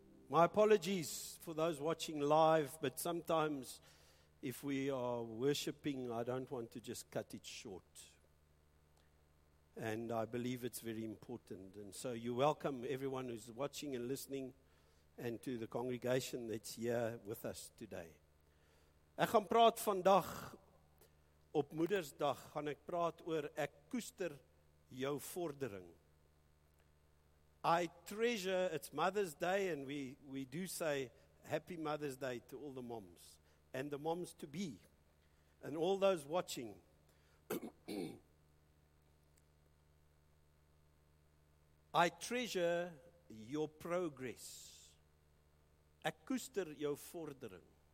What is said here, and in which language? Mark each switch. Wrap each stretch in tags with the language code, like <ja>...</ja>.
<en>My apologies for those watching live, but sometimes if we are worshiping, I don't want to just cut it short. And I believe it's very important. And so you welcome everyone who's watching and listening. And to the congregation that's here with us today.</en> <af>Ek gaan praat vandag op Moedersdag, gaan ek praat oor ek koester jou vordering.</af> <en>I treasure, it's Mother's Day, and we do say Happy Mother's Day to all the moms and the moms to be, and all those watching. I treasure your progress.</en> <af>Ek koester jou vordering.</af>